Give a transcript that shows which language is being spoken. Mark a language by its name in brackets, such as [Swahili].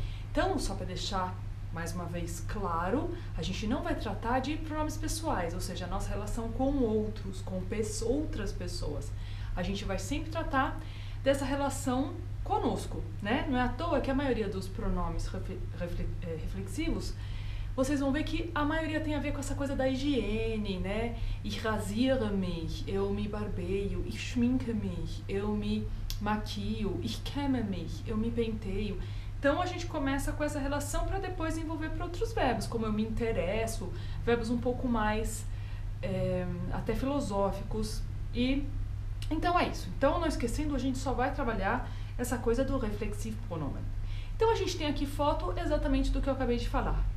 [Portuguese] Então, só para deixar mais uma vez claro, a gente não vai tratar de pronomes pessoais, ou seja, a nossa relação com outros, com outras pessoas. A gente vai sempre tratar dessa relação conosco, né? Não é à toa que a maioria dos pronomes reflexivos, vocês vão ver que a maioria tem a ver com essa coisa da higiene, né? [German] Ich rasiere mich, [Portuguese] eu me barbeio. [German] Ich schminke mich, [Portuguese] eu me maquio. [German] Ich kämme mich, [Portuguese] eu me penteio. Então a gente começa com essa relação para depois envolver para outros verbos, como eu me interesso, verbos um pouco mais até filosóficos. E então é isso. Então, não esquecendo, a gente só vai trabalhar essa coisa do Reflexivpronomen. Então a gente tem aqui foto exatamente do que eu acabei de falar.